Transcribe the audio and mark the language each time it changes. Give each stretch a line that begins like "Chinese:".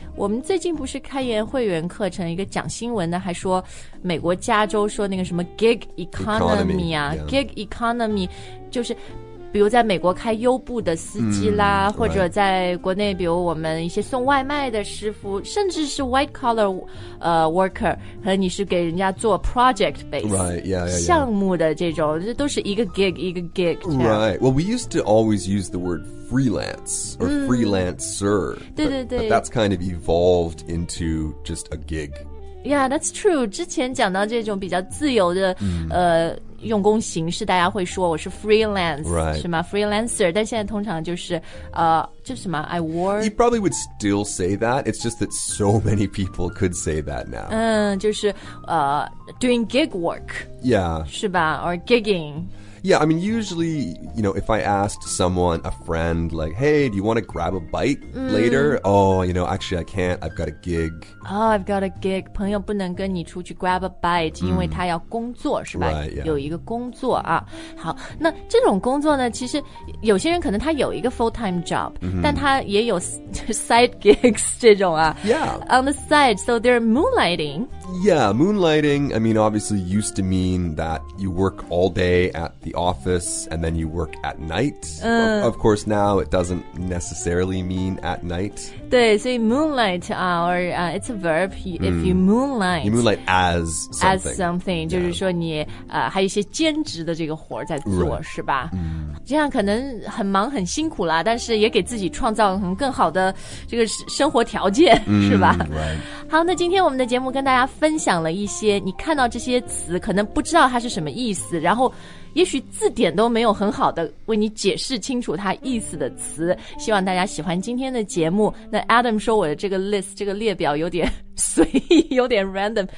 Chinese: 我们最近不是开研会员课程一个讲新闻的还说美国加州说那个什么 gig economy 啊 gig economy 就是比如在美国开优步的司机啦或者在国内比如我们一些送外卖的师傅甚至是 white collar worker 和你是给人家做 project based 项目的这种这都是一个 gig 一个 gig
English: Right, well we used to always use the wordfreelance or freelancer but that's kind of evolved into just a gig yeah that's true
Chinese: 之前讲到这种比较自由的用工形式大家会说我是 freelance、
English: right.
Chinese: 是吗 freelancer 但现在通常就是就什么
English: I work you probably would still say that it's just that so many people could say that now
Chinese: 就是
English: doing gig work yeah
Chinese: 是吧
English: or gigging Yeah, I mean, usually, you know, if I asked someone, a friend, like, hey, do you want to grab a bite later? Oh, you know, actually, I can't. I've got a gig. Oh, I've got a gig.
Chinese: 朋友不能跟你出去
English: grab a bite,
Chinese: 因为他要工作,是吧?
English: Right, yeah.
Chinese: 有一个工作啊。好,那这种工作呢,其实有些人可能他有一个 full-time job, 但他也有 side gigs 这种啊。
English: Yeah. On the side, so they're moonlighting. Yeah, moonlighting, I mean, obviously used to mean that you work all day at,the office and then you work at night of course now it doesn't necessarily mean at night
Chinese: 对所以
English: moonlight or it's a verb if you moonlight you moonlight as something as something、yeah.
Chinese: 就是说你还有一些兼职的这个活在做、
English: right.
Chinese: 是吧、这样可能很忙很辛苦啦但是也给自己创造更好的这个生活条件、是吧、
English: right.
Chinese: 好那今天我们的节目跟大家分享了一些你看到这些词可能不知道它是什么意思然后也许字典都没有很好的为你解释清楚它意思的词希望大家喜欢今天的节目那 Adam 说我的这个 list 这个列表有点随意有点 random、